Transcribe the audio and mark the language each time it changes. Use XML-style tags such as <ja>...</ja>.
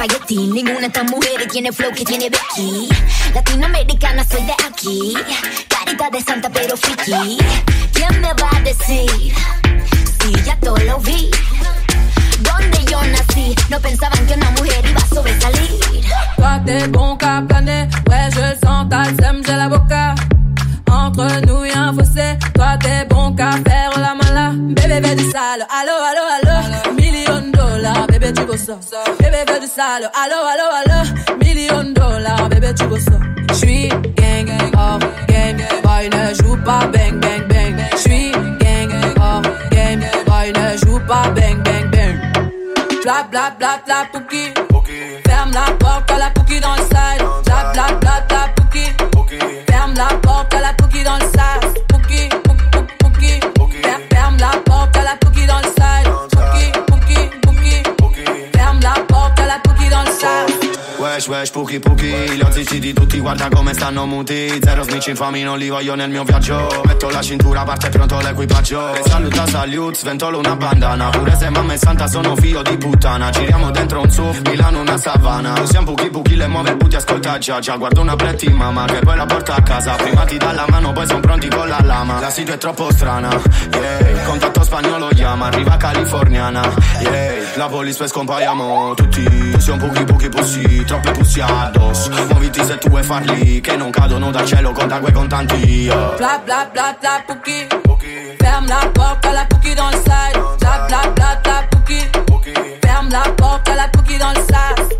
<es>Ninguna de estas mujeres tiene flow que tiene Becky. Latinoamericana, soy de aquí. Carita de santa, pero friki. ¿Quién me va a decir? Si ya todo lo vi. ¿Dónde yo nací? No pensaban que una mujer iba a sobresalir.</es> <fr>Toi t'es bon qu'à planer. Ouais, je sens ta sème</fr> <es>de la boca.</es> <fr>Entre nous y un fossé. Toi t'es bon qu'à faire la mala. Bébé, bébé du sale. Allo, allo, allo.</fr> <en>Million dollars.</en> <fr>Bébé, tu bosses. Bébé, bébé du sale. Allo, allo, allo.</fr> <en>Million dollars.</en> <fr>Bébé, tu bosses. J'suis gang, gang, oh, gang. Boy, ne joue pas bang, bang, bang. J'suis gang, gang, oh, gang. Boy, ne joue pas bang, bang, bang. Bla, bla, bla, bla, pookie. Ferme la porte à la pookie dans le side. Bla, bla, bla, bla, pookie. Ferme la porte à la pookie dans le side. Pookie, pookie, pookie. Ferme la porte à la pookie dans le side. Pookie, pookie, pookie. Ferme la porte à la pookie dans le side. Wesh, wesh, pochi, pochi.</fr> <it>Gli occhi zitti tutti, guarda come stanno muti. Zero smicci infami, non li voglio nel mio viaggio. Metto la cintura, parte pronto l'equipaggio. Saluta, salut, sventolo una bandana. Pure se mamma è santa, sono figlio di puttana. Giriamo dentro un SUV, Milano una savana. Siamo pochi, pochi, le muove, butti, ascolta già. Già guardo una pretty mamma, che poi la porta a casa. Prima ti dà la mano, poi son pronti con la lama. La situ è troppo strana, yeah. Il contatto spagnolo chiama, arriva californiana, yeah. La polis, poi scompaiamo tutti. Siamo pochi, pochi, pochi. Troppi pussi addosso. Muoviti se tu vuoi farli. Che non cadono dal cielo. Conta quei contanti.</it> <fr>Bla bla bla bla pookie. Ferme la porta la pookie dans le side. Bla bla bla bla pookie. Ferme la porta la pookie dans le side.</fr>